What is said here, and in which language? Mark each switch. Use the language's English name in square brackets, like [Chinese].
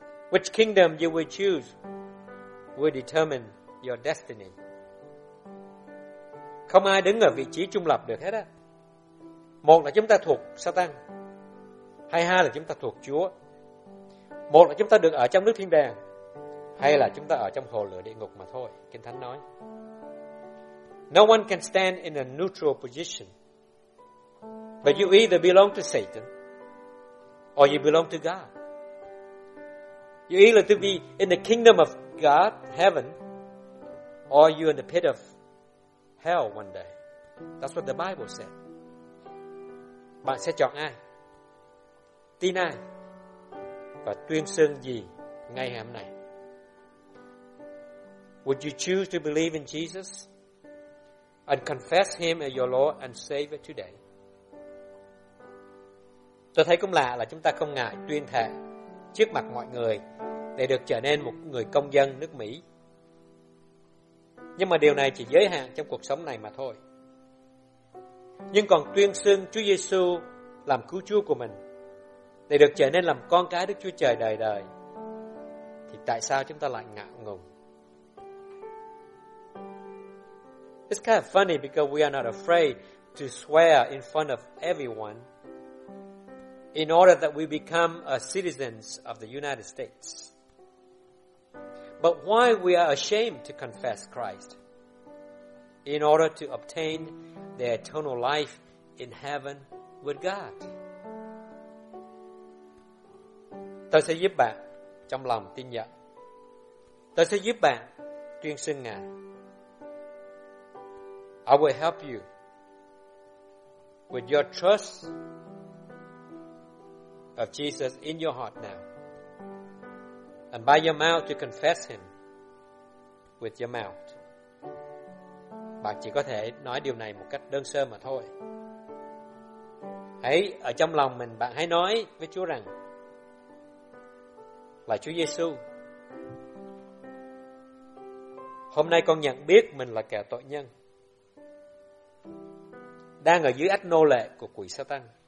[English] Which kingdom you will choose will determine your destiny. [Vietnamese] Không ai đứng ở vị trí trung lập được hết á. Một là chúng ta thuộc Satan, hay hai là chúng ta thuộc Chúa. Một là chúng ta được ở trong nước thiên đàng, hay là chúng ta ở trong hồ lửa địa ngục mà thôi, Kinh Thánh nói. [English] No one can stand in a neutral position. But you either belong to Satan, or you belong to God. You either to be in the kingdom of God, heaven, or you in the pit of hell one day. That's what the Bible said. [Vietnamese] Bạn sẽ chọn ai? Tin ai? Và tuyên xưng gì ngay hôm nay? [English] Would you choose to believe in Jesus and confess him as your Lord and Savior today? [Vietnamese] Tôi thấy cũng lạ là chúng ta không ngại tuyên thệ trước mặt mọi người để được trở nên một người công dân nước Mỹ. Nhưng mà điều này chỉ giới hạn trong cuộc sống này mà thôi. Nhưng còn tuyên xưng Chúa Giêsu làm cứu Chúa của mình để được trở nên làm con cái Đức Chúa Trời đời đời thì tại sao chúng ta lại ngạo ngùng? [English] It's kind of funny because we are not afraid to swear in front of everyone in order that we become a citizens of the United States. But why we are ashamed to confess Christ in order to obtain the eternal life in heaven with God? [Vietnamese] Tôi sẽ giúp bạn trong lòng tin nhận. Tôi sẽ giúp bạn tuyên xưng Ngài. [English] I will help you with your trust of Jesus in your heart now. And by your mouth to confess him with your mouth. [Vietnamese] Bạn chỉ có thể nói điều này một cách đơn sơ mà thôi. Hãy ở trong lòng mình bạn hãy nói với Chúa rằng là Chúa Giêsu, hôm nay con nhận biết mình là kẻ tội nhân, đang ở dưới ách nô lệ của quỷ Satan.